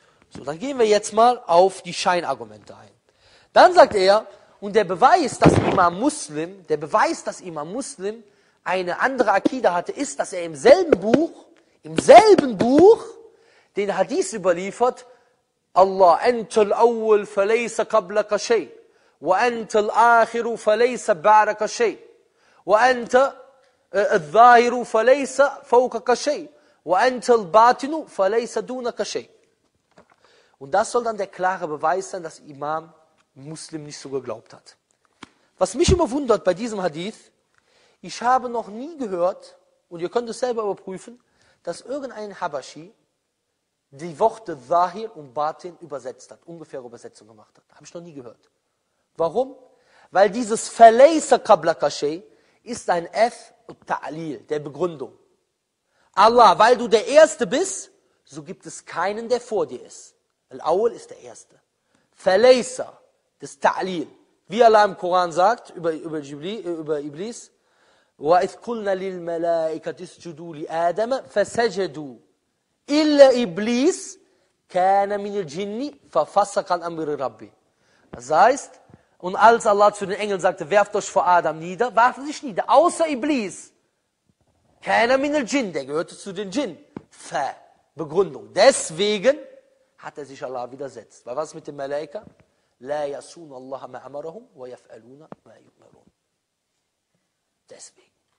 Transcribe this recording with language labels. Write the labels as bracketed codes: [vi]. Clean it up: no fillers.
[de] So, dann gehen wir jetzt mal auf die Scheinargumente ein. Dann sagt er, und der Beweis, dass Imam Muslim eine andere Akida hatte, ist, dass er im selben Buch, den Hadith überliefert, Allah, [ar] entel awwal falaysa qablaka shay, wa entel akhiru falaysa ba'daka shay. وأنت الظاهر فليس فوقك شيء وأنت الباطن فليس دونك شيء. [de] Und das soll dann der klare Beweis sein, dass Imam Muslim nicht so geglaubt hat. Was mich immer wundert bei diesem Hadith, ich habe noch nie gehört, und ihr könnt es selber überprüfen, dass irgendein Habashi die Worte Zahir und Batin übersetzt hat, ungefähre Übersetzung gemacht hat. Habe ich noch nie gehört. Warum? Weil dieses Verleisa Kabla Kashay ist ein F und Ta'lil, der Begründung. Allah, weil du der Erste bist, so gibt es keinen, der vor dir ist. Al-Awwal ist der Erste. Verleisa, das Ta'lil. Wie Allah im Koran sagt, über Iblis, [ar] وَإِذْ قُلْنَا لِلْمَلَائِكَةِ اسْجُدُوا لِآدَمَ فَسَجَدُوا إِلَّا إِبْلِيس كَانَ مِنِ الْجِنِّ فَفَسَقَ عَنْ أَمْرِ رَبِّ. [de] Das heißt, und als Allah zu den Engeln sagte, werft euch vor Adam nieder, warfen sich nieder, außer Iblis. [ar] كَانَ مِنِ الْجِنِّ, [de] der gehörte zu den Jinn. Begründung. Deswegen hat er sich Allah widersetzt. Weil was mit dem Malaika? [ar] لَا يَسُونَ اللَّهَ مَا أَمَرَهُمْ وَيَفْعَلُونَ مَا يُؤْمَرُونَ. [de] Deswegen.